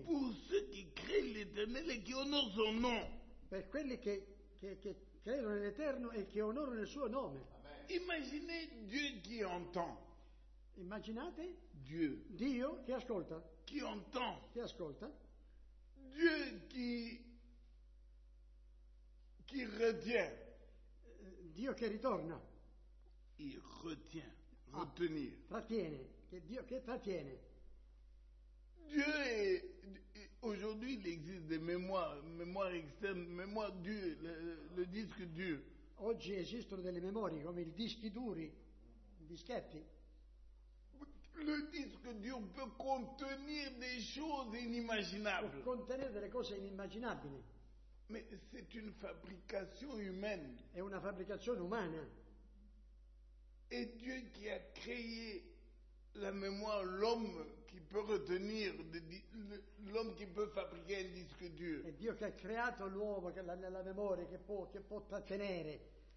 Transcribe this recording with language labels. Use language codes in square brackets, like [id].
[fr] Pour ceux qui craignent l'Éternel et qui honorent son nom. [it] Per quelli che credono nell'Eterno e che onorano il suo nome. [fr] Amen. Imaginez Dieu qui entend. [it] Immaginate [fr] Dieu. [it] Dio che ascolta. [fr] Qui entend. [it] Che ascolta. [fr] Dieu qui retient. [it] Dio che ritorna. [fr] Il retient, retenir. [it] Trattiene, che Dio che trattiene. [fr] Dieu est, aujourd'hui il existe des mémoires externes, mémoire dure, le disque dur. [it] Oggi esistono delle memorie come i dischi duri, i dischetti. [fr] Le disque dur peut contenir des choses inimaginables. [it] Può contenere delle cose inimmaginabili. [fr] Mais c'est une fabrication humaine. [it] È una fabbricazione umana. [fr] Et Dieu qui a créé la mémoire, l'homme qui peut retenir, l'homme qui peut fabriquer un disque dur. [it] È Dio che ha creato l'uomo, la memoria che può trattenere.